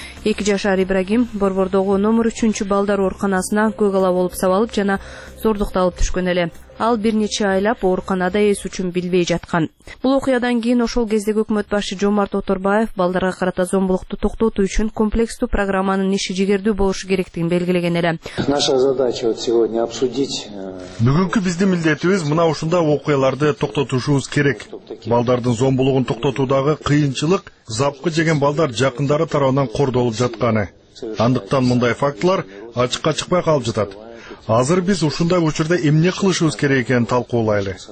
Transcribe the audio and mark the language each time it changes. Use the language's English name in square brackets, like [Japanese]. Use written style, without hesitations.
[Kyrgyz] 2 жашар Ибрагим Борбордогу номер 3-чү балдар ооруканасына көк ала болуп сабалып жана зордукталып түшкөн эле. Ал бир нече айлап ооруканада эс үчүн билбей жаткан. Бул окуядан кийин ошол кездеги өкмөт башчы Жомарт Оторбаев балдарга карата зомбулукту токтотуу үчүн комплекстүү программанын иши жигердүү болушу керектигин белгилеген эле. [Russian] Наша задача вот сегодня обсудить. [Kyrgyz] Бүгүнкү биздин милдетибиз мына ушундай окуяларды токтотушубуз керек. Балдардын зомбулугун токтотуудагы кыйынчылык запкы жеген балдар жакындары тарабынан кордолуп жатканы. Андыктан мындай фактылар ачыкка чыкпай калып жатат. Азыр биз ушундай учурда эмне кылышыбыз керек экенин талкуулайлы.